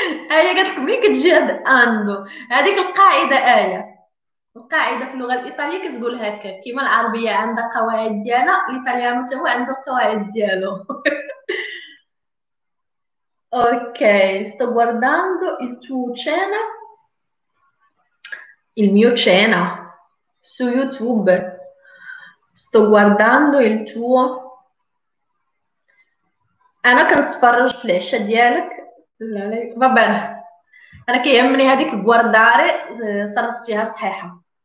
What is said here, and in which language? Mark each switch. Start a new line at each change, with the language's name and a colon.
Arabic: آية قالت لكم مين كتجي هاد اندو، هذيك القاعدة، آية القاعدة في اللغة الإيطالية كتقول هكا، كيما العربية عندها قواعد ديالها، الإيطاليان حتى هو عنده قواعد ديالو.
Italian: اوكي sto guardando il tuo cena، il mio cena su YouTube، sto guardando il tuo،
Arabic: انا كنتفرج في العشاء ديالك. لا لا
Italian: va bene،
Arabic: انا كي يهمني هذيك guardare صرفتيها صحيحة.